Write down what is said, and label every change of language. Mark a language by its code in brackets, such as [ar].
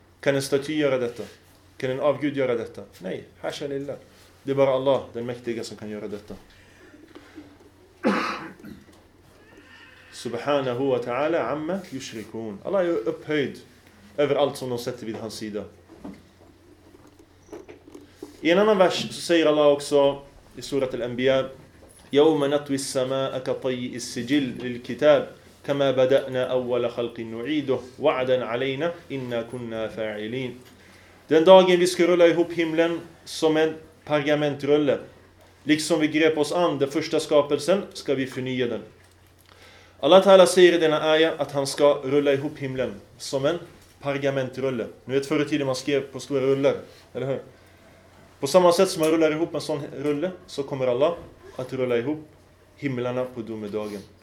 [sv] Kan en staty göra detta? Kan en avgud göra detta? Nej, hasha lillah. Det är bara Allah, den mäktiga, som kan göra detta. [ar] Subhanahu wa ta'ala amma yushrikun. [sv] Allah är upphöjd över allt som de sätter vid hans sida. I en annan vers så säger Allah också i surat al-Anbiya: [ar] يَوْمَ نَطْوِ السَّمَاءَ كَطَيِّ السِّجِلِّ لِلْكِتَابِ كَمَا بَدَأْنَا أَوَّلَ خَلْقٍ نُعِيدُهُ وَعْدًا عَلَيْنَا إِنَّا كُنَّا فَاعِلِينَ. [sv] Den dagen vi ska rulla ihop himlen som en pergamentrulle, liksom vi grep oss an den första skapelsen, ska vi förnya den. Allah ta'ala säger i denna aya att han ska rulla ihop himlen som en pergamentrulle. Nu vet förr i tiden man skrev på stora rullar, eller hur? På samma sätt som man rullar ihop en sån rulle så kommer Allah att rulla ihop himlarna på domedagen.